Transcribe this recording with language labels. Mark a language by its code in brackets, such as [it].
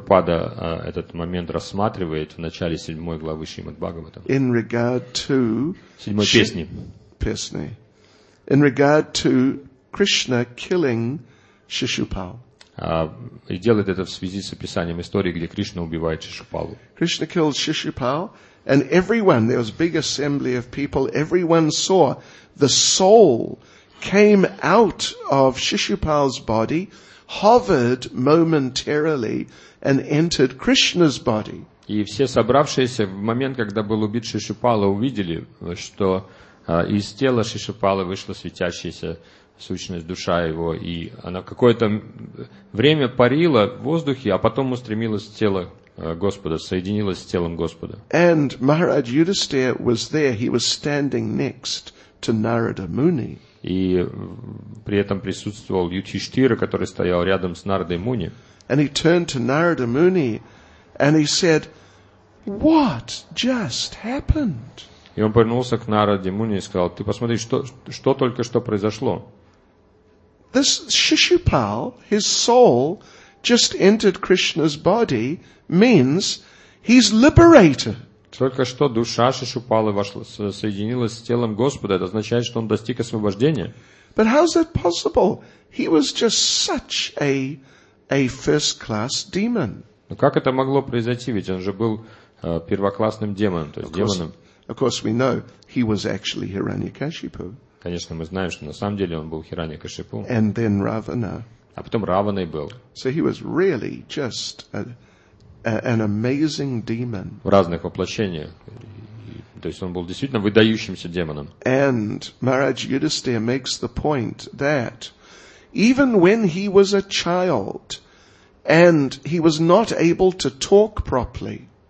[ru] Прабхупада этот момент рассматривает в начале седьмой главы Шримад Бхагаватам. [en] In regard to [ru] седьмой песни. Песни. [en] In regard to Krishna killing Shishupal. [ru] И делает это в связи с описанием истории, где Кришна убивает Шишупалу. [en] Krishna killed Shishupal, and everyone, there was a big assembly of people, everyone saw the soul came out of Shishupal's body, hovered momentarily, and entered Krishna's body. [ru] И все собравшиеся в момент, когда был убит Шишупала, увидели, что из тела Шишупалы вышла светящаяся сущность, душа его, и она какое-то время парила в воздухе, а потом устремилась в тело Господа, соединилась с телом Господа. [en] And Maharaj Yudhisthira was there, he was standing next to Narada Muni. [ru] И при этом присутствовал Юдхиштхира, который стоял рядом с Нарадой Муни. [en] And he turned to Narada Muni and he said, "What just happened?" [ru] И он повернулся к Нараде Муни и сказал: "Ты посмотри, что только что произошло?" [en] This Shishupal, his soul just entered Krishna's body means he's liberated. [ru] Только что душа Шишупалы вошла, соединилась с телом Господа. Это означает, что он достиг освобождения. [en] But how is that possible? He was just such a first-class demon. [ru] Но как это могло произойти? Ведь он же был первоклассным демоном, то есть демоном. [en] Of course, we know he was actually Hiranyakashipu. [ru] Конечно, мы знаем, что на самом деле он был Хираньякашипу. [en] And then Ravana. [ru] А потом Раваной был. [en] So he was really just an amazing demon. [ru] В разных воплощениях. То есть он был действительно выдающимся демоном. [en] And Maharaj Yudhisthira makes the point that even when he was a child and he was not able to talk properly.